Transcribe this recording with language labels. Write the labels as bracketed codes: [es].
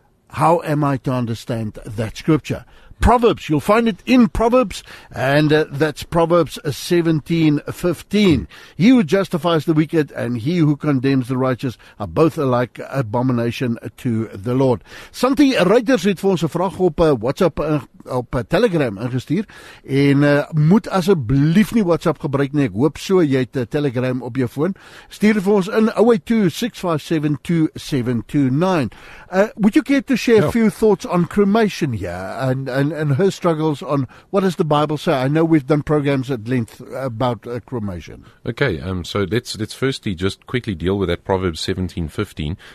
[en] How am I to understand that scripture? Proverbs, you'll find it in Proverbs, and that's Proverbs 17:15. He who justifies the wicked and he who condemns the righteous are both alike abomination to the Lord. [af] Santi Reuters het vir ons 'n vraag op WhatsApp op Telegram ingestuur en moet asseblief nie WhatsApp gebruik nie. Ek hoop so jy het Telegram op jou foon. Stuur vir ons in 0826572729. [en] Would you care to share a few thoughts on cremation here and her struggles on what does the Bible say? I know we've done programs at length about cremation. Okay, so let's firstly just quickly deal with that Proverbs 17:15.